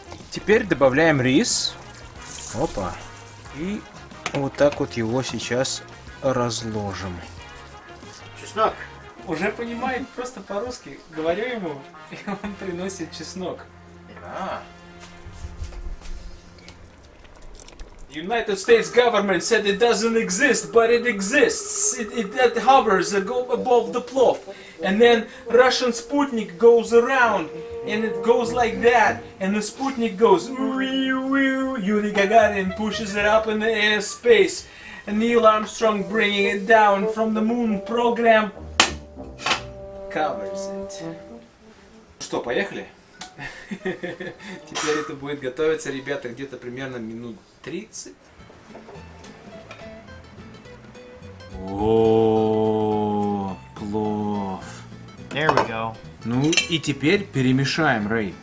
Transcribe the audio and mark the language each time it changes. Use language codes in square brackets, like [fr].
[ru] Теперь добавляем рис. Опа. И вот так вот его сейчас разложим. Чеснок. Уже понимает просто по-русски. Говорю ему, и он приносит чеснок. Да. [en] United States government said it doesn't exist, but it exists. It hovers above the plov. And then Russian Sputnik goes around. And it goes like that, and the Sputnik goes wee-wee-wee, Yuri Gagarin pushes it up in the airspace, and Neil Armstrong bringing it down from the moon program covers it. [ru] Что, поехали? Теперь это будет готовиться, ребята, где-то примерно минут 30. О, плов. [en] There we go. [ru] Ну и теперь перемешаем, Рэй.